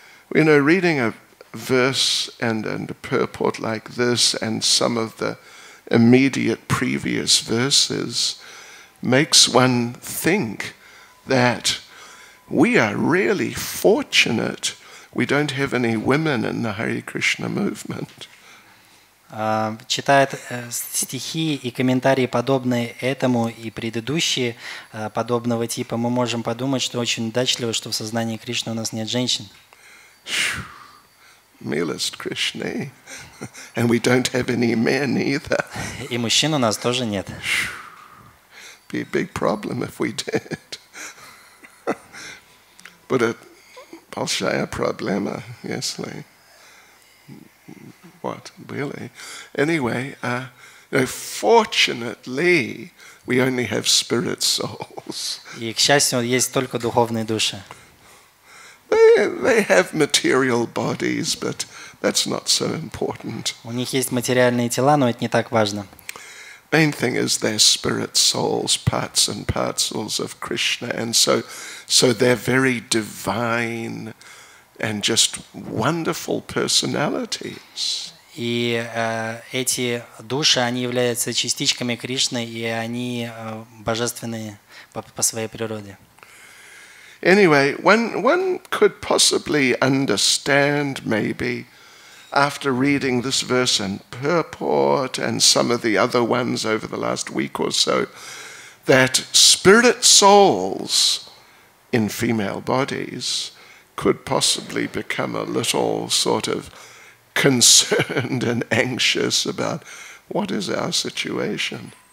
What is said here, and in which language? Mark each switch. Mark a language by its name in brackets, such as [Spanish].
[English] We are reading a verse and a purport like this and some of the immediate previous verses makes one think that we are really fortunate we don't have any women in the Hare Krishna movement. [Russian] Читая стихи и комментарии, подобные этому и предыдущие подобного типа, мы можем подумать, что очень удачливо, что в сознании Кришны у нас нет женщин. Милость Кришны, [English] and we don't have any men either. [Russian] И мужчин у нас тоже нет. [English] Be a big problem if we did. But a [Russian] большая проблема, если. [English] What really? Anyway, fortunately, we only have spirit souls. [Russian] И к счастью, есть только духовные души. [English] They have material bodies, but that's not so important. [Russian] У них есть материальные тела, но это не так важно. [English] Main thing is their spirit souls, parts and parcels of Krishna, and so they're very divine and just wonderful personalities. [Russian] И эти души, они являются частичками Кришны, и они божественные по своей природе. [English] Anyway, one could possibly understand maybe after reading this verse and purport and some of the other ones over the last week or so that spirit souls in female bodies could possibly become a little sort of concerned and anxious about what is our situation.